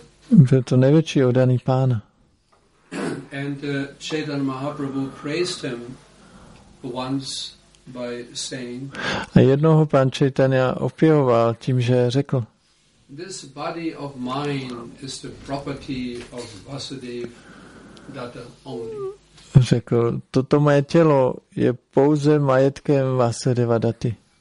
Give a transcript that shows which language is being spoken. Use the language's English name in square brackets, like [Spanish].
[Czech] Byl to největší oddaný pána. [English] And Chaitanya Mahaprabhu praised him once by saying. [Czech] A jednoho pan Chaitanya opěhoval tím, že řekl. [English] This body of mine is the property of Vasudev Datta only. [Czech] Řekl, toto moje tělo je pouze majetkem Vasudeva Datty.